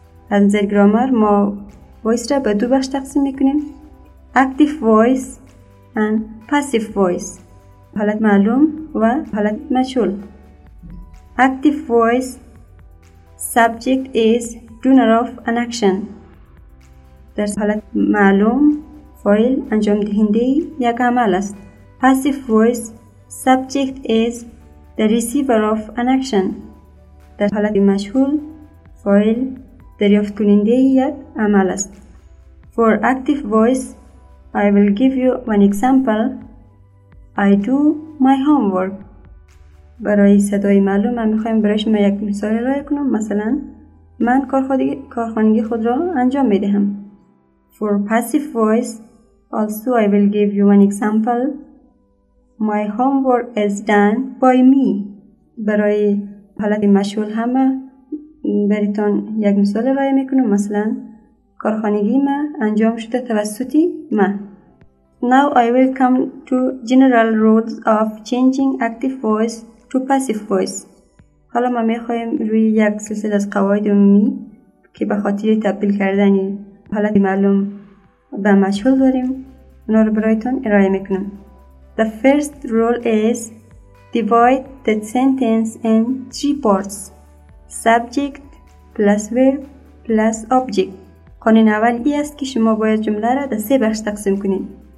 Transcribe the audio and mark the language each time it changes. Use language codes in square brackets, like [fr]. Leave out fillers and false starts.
[fa] از نظر گرامر ما وایس را به دو بخش تقسیم میکنیم، [en] active voice and passive voice، [fa] حالت معلوم و حالت مجهول. [en] Active voice, subject is doer of an action. [fa] در حالت معلوم فاعل انجام دهنده یک عمل است. [en] Passive voice, subject is the receiver of an action. [fa] در حالت مجهول فاعل دریافت کننده یک عمل است. [en] For active voice, I will give you one example. I do my homework. [fa] برای صدای معلوم من میخوایم برای شما یک مثال ارائه کنم. مثلا من کارخانگی خود را انجام میدهم. [en] For passive voice, also I will give you one example. My homework is done by me. [fa] برای حالت مشغول همه بریتون یک مثال ارائه میکنم. مثلا کارخانگی ما انجام شده توسط من. [en] Now I will come to general rules of changing active voice to passive voice. [fa] حالا ما میخواییم روی یک سلسله از قواعد عمومی که به خاطر تبدیل کردن حالت معلوم به مجهول داریم اونا رو برایتون ارائه میکنم. [en] The first rule is divide the sentence in three parts. Subject plus verb plus object. [fa] قانون اولی است که شما باید جمله را در سه بخش تقسیم کنید.